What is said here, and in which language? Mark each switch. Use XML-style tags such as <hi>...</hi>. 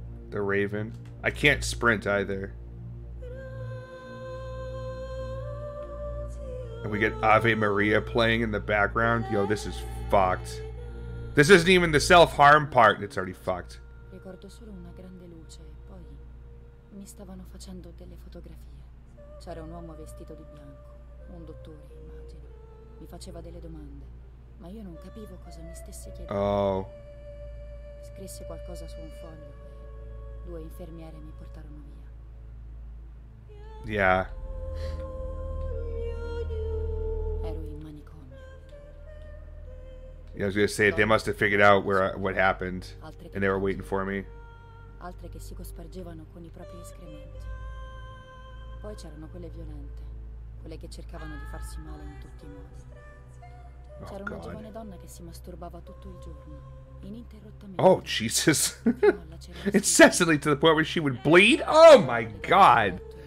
<en>The Raven. I can't sprint either. And we get Ave Maria playing in the background. Yo, this is fucked. This isn't even the self-harm part, and it's already fucked.</en> <it>Ricordo solo una grande luce e poi mi stavano facendo delle fotografie. C'era un uomo vestito di bianco, un dottore, immagino. Mi faceva delle domande, ma io non capivo cosa mi stesse chiedendo. Oh. Scrissi qualcosa su un foglio e due infermiere mi portarono via.</it> <en>Yeah.</en> <it>Ero in manicomio.</it> <en>I was gonna say they must have figured out what happened and they were waiting for me.</en> <it>Altre che si cospargevano con i propri escrementi. Poi c'erano quelle violente, quelle che cercavano di farsi male in tutti i modi. C'era una giovane donna che si masturbava tutto il giorno, ininterrottamente.</it> <en>Oh Jesus. Incessantly to the point where she would bleed. Oh my god.</en>